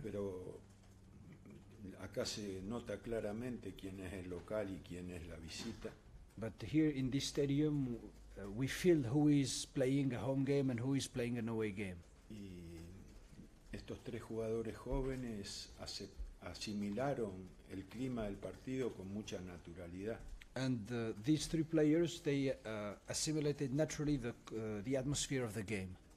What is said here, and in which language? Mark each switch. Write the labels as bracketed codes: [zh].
[es] Pero acá se nota claramente quién es el local y quién es la visita. [en] But here in this stadium, we feel who is playing a home game and who is playing an away game. [es] Y estos 3 jugadores jóvenes asimilaron el clima del partido con mucha naturalidad. [en] And these 3 players, they assimilated naturally the atmosphere of the game.